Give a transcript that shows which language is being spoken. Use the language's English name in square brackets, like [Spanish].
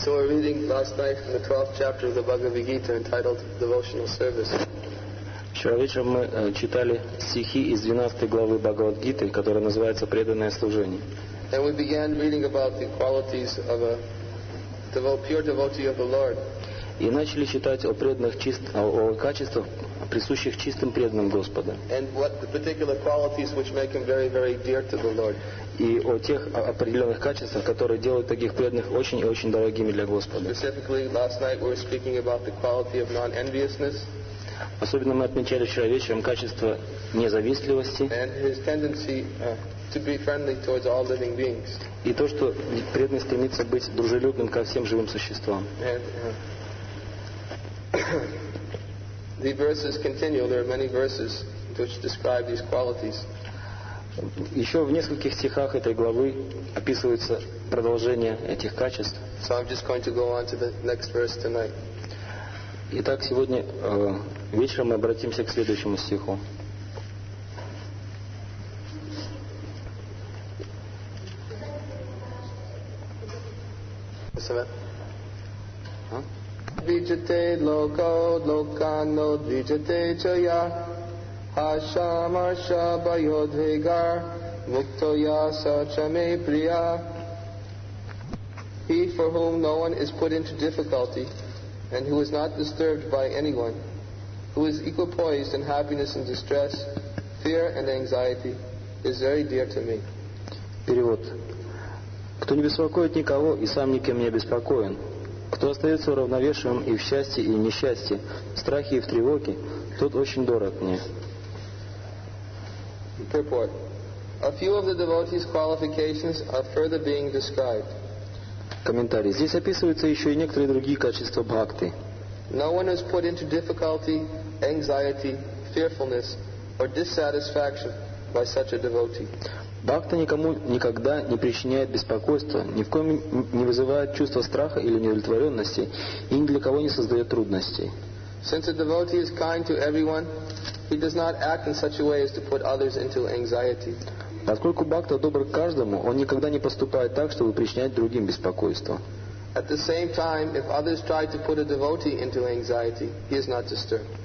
[English] So we're reading last night from the 12th chapter of the Bhagavad Gita entitled Devotional Service. [Russian] Вчера вечером мы читали стихи из 12 главы Бхагавад-гиты, которая называется «Преданное служение». [English] And we began reading about the qualities of a pure devotee of the Lord. [Russian] И начали читать о преданных о качествах, присущих чистым преданным Господа. [English] And what the particular qualities which make him very, very dear to the Lord. [Russian] И о тех определенных качествах, которые делают таких преданных очень и очень дорогими для Господа. [English] Specifically, last night we were speaking about the quality of non-enviousness. [Russian] Особенно мы отмечали вчера вечером качество независтливости. [English] And his tendency to be friendly towards all living beings. [Russian] И то, что преданный стремится быть дружелюбным ко всем живым существам. [English] And, the verses continue. There are many verses which describe these qualities. [Russian] Еще в нескольких стихах этой главы описывается продолжение этих качеств. [English] So I'm just going to go on to the next verse tonight. [Russian] Итак, сегодня вечером мы обратимся к следующему стиху. [Sanskrit] Vijate loko lokano vijate chaya hashamasha bayodhigar muktoya sachame priya. [English] He for whom no one is put into difficulty and who is not disturbed by anyone, who is equipoised in happiness and distress, fear and anxiety, is very dear to me. [Russian] Перевод. Кто не беспокоит никого и сам никем не беспокоен, кто остается уравновешенным и в счастье, и в несчастье, в страхе и в тревоге, тот очень дорог мне. [English] Purport. A few of the devotees' qualifications are further being described. [Russian] Комментарий. Здесь описываются еще и некоторые другие качества бхакти. [English] No one is put into difficulty, anxiety, fearfulness, or dissatisfaction by such a devotee. [Russian] Бхакта никому никогда не причиняет беспокойства, ни в коем не вызывает чувства страха или неудовлетворенности, и ни для кого не создает трудностей. [English] Since a devotee is kind to everyone, he does not act in such a way as to put others into anxiety. [Russian] Поскольку бхакта добр к каждому, он никогда не поступает так, чтобы причинять другим беспокойство. [English] At the same time, if others try to put a devotee into anxiety, he is not disturbed.